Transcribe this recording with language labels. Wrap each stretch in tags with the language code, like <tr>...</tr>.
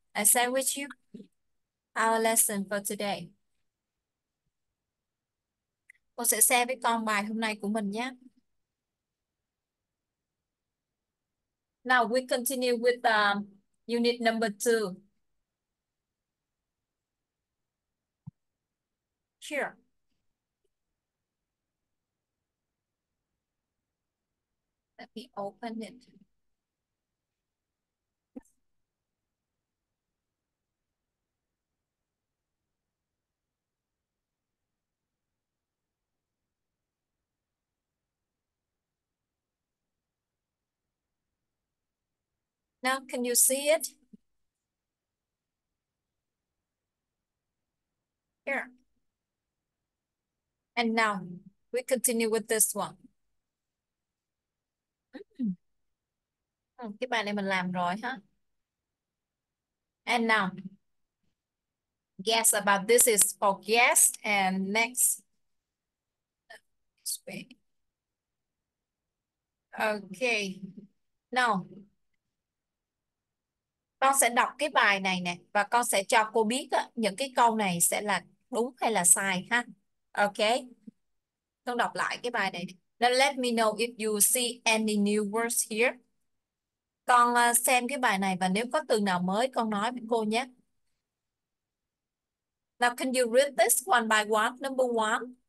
<en>I share with you our lesson for today.</en> <vi>Cô sẽ share với con bài hôm nay của mình nhé.</vi> <en>Now we continue with unit number 2. Here. Let me open it. Now, can you see it? Here. And now we continue with this one.</en> <vi>Cái bài này mình làm rồi hả?</vi> <en>And now, guess about this is for guest and next. Okay.</en> <vi>Now, con sẽ đọc cái bài này nè và con sẽ cho cô biết á, những cái câu này sẽ là đúng hay là sai ha. Okay. Con đọc lại cái bài này.</vi> <en>Now let me know if you see any new words here.</en> <vi>Con xem cái bài này và nếu có từ nào mới con nói với cô nhé.</vi> <en>Now can you read this one by one, number one?</en>